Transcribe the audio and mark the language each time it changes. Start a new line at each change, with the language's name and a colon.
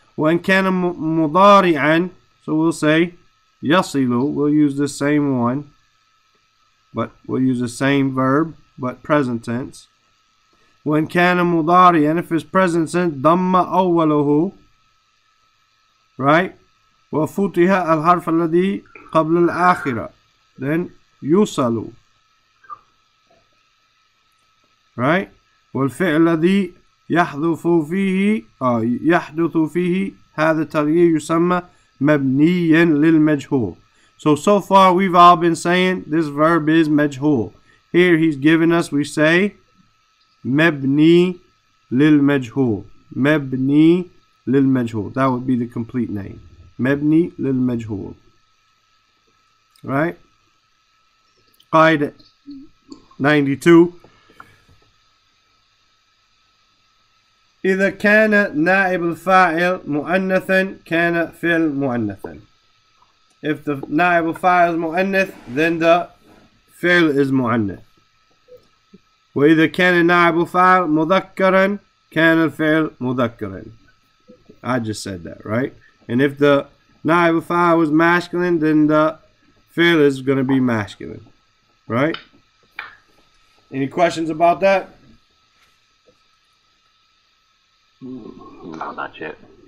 Arabic: وإن كان مضارعا,
English: so we'll say يصلوا, we'll use the same one, but we'll use the same verb, but present tense.
Arabic: وإن كان مضارعا,
English: and if it's present tense,
Arabic: ضم أوله,
English: right?
Arabic: وفتح الحرف الذي قبل الآخرة, then يصلوا, right? والفعل الذي يحذف فيه, يحدث فيه هذا التغيير يسمى مبنيا للمجهول.
English: So far we've all been saying this verb is مجهول. Here he's giving us, we say مبني للمجهول.
Arabic: مبني للمجهول.
English: That would be the complete name.
Arabic: مبني للمجهول. Right? قاعدة 92. إذا كان نائب الفاعل مؤنثاً كان فعل مؤنثاً.
English: If the نائب الفاعل is مؤنث, then the فعل is مؤنث.
Arabic: وإذا كان نائب الفاعل مذكراً كان الفعل مذكراً.
English: I just said that, right? And if the نائب الفاعل was masculine, then the فعل is going to be masculine, right? Any questions about that? No, not yet.